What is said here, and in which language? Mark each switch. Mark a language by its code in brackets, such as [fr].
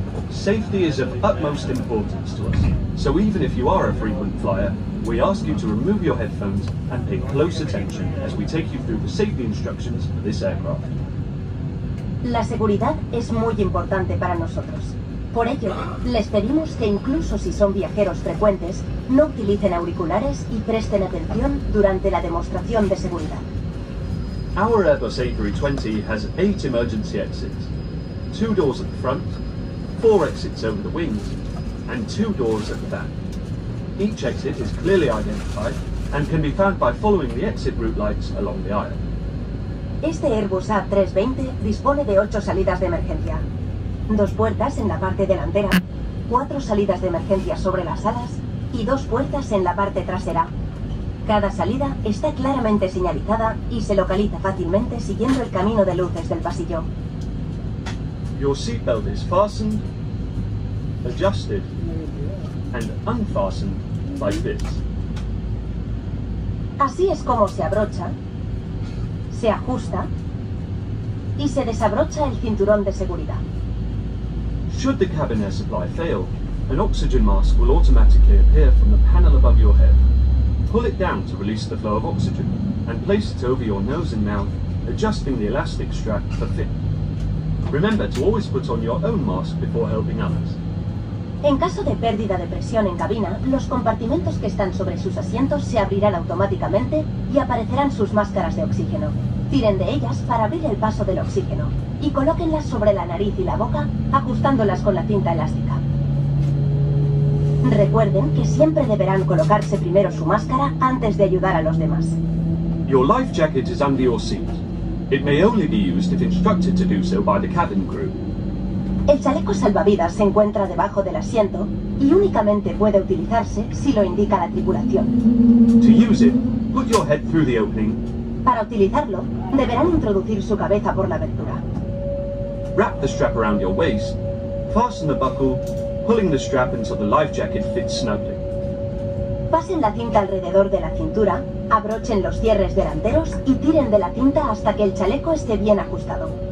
[en] Safety is of utmost importance to us, so even if you are a frequent flyer, we ask you to remove your headphones and pay close attention as we take you through the safety instructions for this aircraft. [es] La seguridad es muy importante para nosotros. Por ello, les pedimos que incluso si son viajeros frecuentes, no utilicen auriculares y presten atención durante la demostración de seguridad. [en] Our Airbus A320 has 8 emergency exits, 2 doors at the front, 4 exits over the wings, and 2 doors at the back. Each exit is clearly identified and can be found by following the exit route lights along the aisle. [es] Este Airbus A320 dispone de 8 salidas de emergencia, 2 puertas en la parte delantera, 4 salidas de emergencia sobre las alas y 2 puertas en la parte trasera. Cada salida está claramente señalizada y se localiza fácilmente siguiendo el camino de luces del pasillo. [en] Your seatbelt is fastened, adjusted, and unfastened like this. [es] Así es como se abrocha, se ajusta y se desabrocha el cinturón de seguridad. [en] Should the cabin air supply fail, an oxygen mask will automatically appear from the panel above your head. Pull it down to release the flow of oxygen and place it over your nose and mouth, adjusting the elastic strap for fit. Remember to always put on your own mask before helping others. [es] En caso de pérdida de presión en cabina, los compartimentos que están sobre sus asientos se abrirán automáticamente y aparecerán sus máscaras de oxígeno. Tiren de ellas para abrir el paso del oxígeno y colóquenlas sobre la nariz y la boca, ajustándolas con la cinta elástica. Recuerden que siempre deberán colocarse primero su máscara antes de ayudar a los demás. [en] Your life jacket is under your seat. It may only be used if instructed to do so by the cabin crew. [es] El chaleco salvavidas se encuentra debajo del asiento y únicamente puede utilizarse si lo indica la tripulación. [en] To use it, put your head through the opening. [es] Para utilizarlo, deberán introducir su cabeza por la abertura. [en] Wrap the strap around your waist, fasten the buckle, pulling the strap until the life jacket fits snugly. [es] Pasen la cinta alrededor de la cintura, abrochen los cierres delanteros y tiren de la cinta hasta que el chaleco esté bien ajustado.